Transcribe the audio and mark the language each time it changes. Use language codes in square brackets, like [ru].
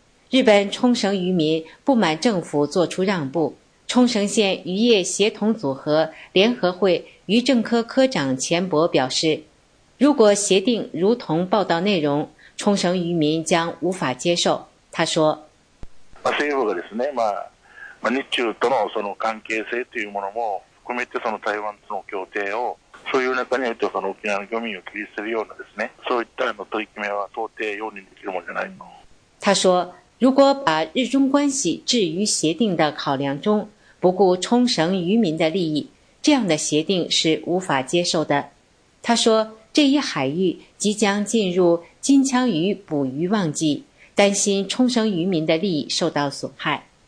[zh] 日本冲绳渔民不满政府做出让步，冲绳县渔业协同组合联合会渔政科科长钱博表示，如果协定如同报道内容，冲绳渔民将无法接受。他说， [ja] 政府が日中との その関係性というものも含めて、その台湾との協定をそういう中においては、その沖縄の漁民を切り捨てるようなですね、そういったの取り決めは到底容認できるものじゃないの。 [zh] 他说，如果把日中关系置于协定的考量中，不顾冲绳渔民的利益，这样的协定是无法接受的。他说，这一海域即将进入金枪鱼捕鱼旺季，担心冲绳渔民的利益受到损害。